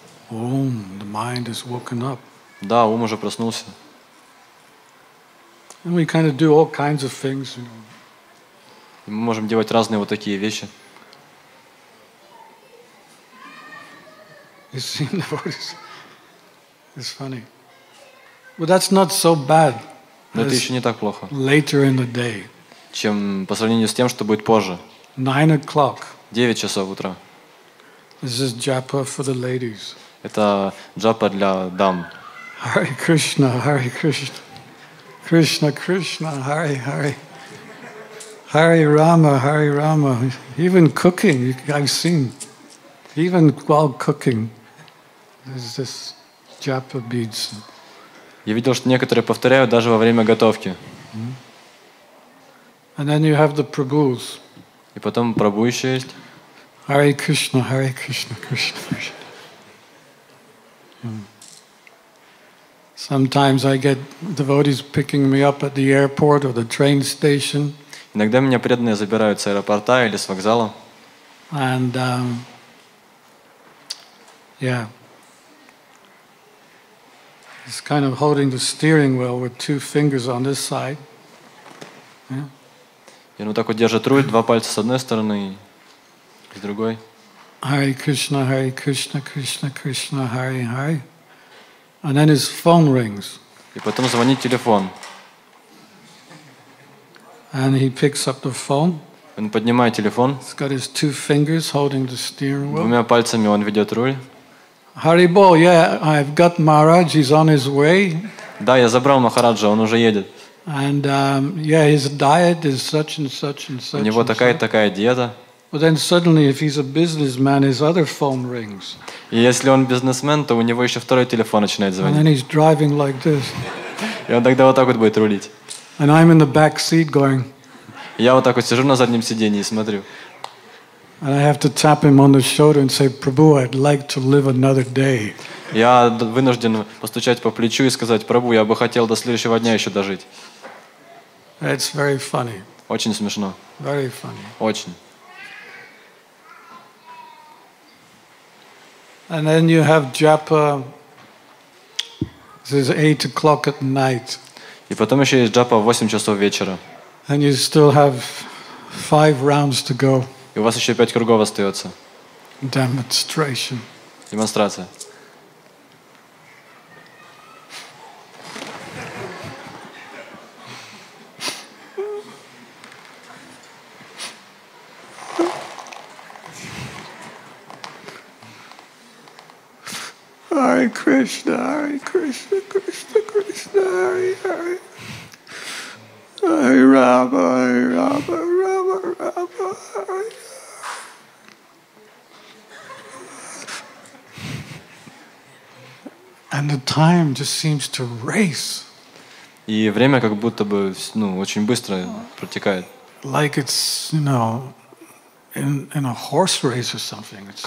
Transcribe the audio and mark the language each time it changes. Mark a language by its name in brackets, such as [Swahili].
[English] Ум, the mind is woken up. [Russian] Да, ум уже проснулся. [English] And we kind of do all kinds of things, you know. [Russian] Мы можем делать разные вот такие вещи. [English] You see, the voice is funny. Well, that's not so bad. [Russian] Но это еще не так плохо. [English] Later in the day. [Russian] Чем по сравнению с тем, что будет позже. [English] 9 o'clock. [Russian] 9 часов утра. [English] This is japa for the ladies. [Russian] Это джапа для дам. [Sanskrit] Hare Krishna, Hare Krishna. Krishna, Krishna, Hare Hare. Hare Rama, Hare Rama. [English] Even cooking, I've seen. Even while cooking, there's this japa beads. [Russian] Я видел, что некоторые повторяют даже во время готовки. [English] And then you have the prabhus. [Russian] И потом прабу еще есть. [Sanskrit] Hare Krishna, Hare Krishna, Krishna Krishna. [English] Sometimes I get devotees picking me up at the airport or the train station. [Russian] Иногда меня преданные забирают с аэропорта или с вокзала. [English] And yeah, he's kind of holding the steering wheel with 2 fingers on this side. Yeah. [Russian] И он так вот держит руль, 2 пальца с одной стороны и с другой. [Sanskrit] Hare Krishna, Hare Krishna, Krishna Krishna, Hare Hare. [English] And then his phone rings. [Russian] И потом звонит телефон. [English] And he picks up the phone. [Russian] Он поднимает телефон. [English] He's got his two fingers holding the steering wheel. [Russian] Двумя пальцами он ведет руль. [English] Haribo, yeah, I've got Maharaj, he's on his way. [Russian] Да, я забрал Махараджа, он уже едет. [English] And yeah, his diet is such and such and such. [Russian] У него такая-такая диета. [English] But then suddenly, if he's a businessman, his other phone rings. [Russian] И если он бизнесмен, то у него еще второй телефон начинает звонить. [English] And then he's driving like this. [Russian] И он тогда вот так вот будет рулить. [English] And I'm in the back seat going. [Russian] Я вот так вот сижу на заднем сиденье и смотрю. [English] And I have to tap him on the shoulder and say, "Prabhu, I'd like to live another day." [Russian] Я вынужден постучать по плечу и сказать: "Прабу, я бы хотел до следующего дня еще дожить." [English] It's very funny. [Russian] Очень смешно. [English] Very funny. [Russian] Очень. [English] And then you have japa. This is 8 o'clock at night. [Russian] И потом еще есть джапа в 8 часов вечера. [English] And you still have 5 rounds to go. [Russian] И у вас еще 5 кругов остается. [English] Demonstration. [Russian] Демонстрация. [Sanskrit] Hare Krishna, Hare Krishna, Krishna Krishna, Hare Hare. Hare Rama, Rama, Rama, [English] And the time just seems to race. [Russian] И время как будто бы, ну, очень быстро протекает. [English] Like it's, you know, in a horse race or something.